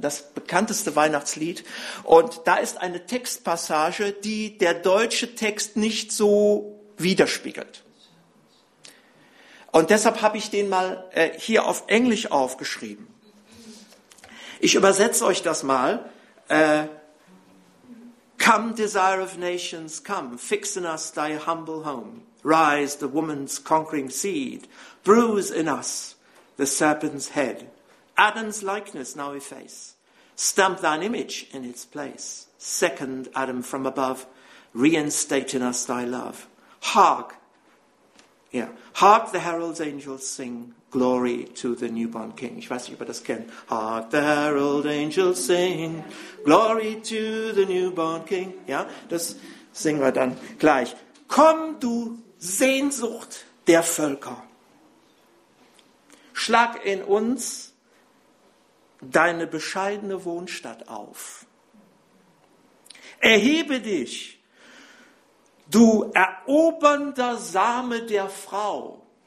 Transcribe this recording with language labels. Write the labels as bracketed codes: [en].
[de] Das bekannteste Weihnachtslied. Und da ist eine Textpassage, die der deutsche Text nicht so widerspiegelt. Und deshalb habe ich den mal hier auf Englisch aufgeschrieben. Ich übersetze euch das mal. [en] Come, desire of nations, come, fix in us thy humble home. Rise, the woman's conquering seed. Bruise in us the serpent's head. Adam's likeness now efface. Stamp thine image in its place. Second Adam from above. Reinstate in us thy love. Hark. Yeah. Hark, the herald's angels sing. Glory to the newborn king. [de] Ich weiß nicht, ob ihr das kennt. [en] Hark, the herald angels sing. Glory to the newborn king. [de] Ja, das singen wir dann gleich. Komm, du Sehnsucht der Völker. Schlag in uns deine bescheidene Wohnstatt auf. Erhebe dich, du erobernder Same der Frau.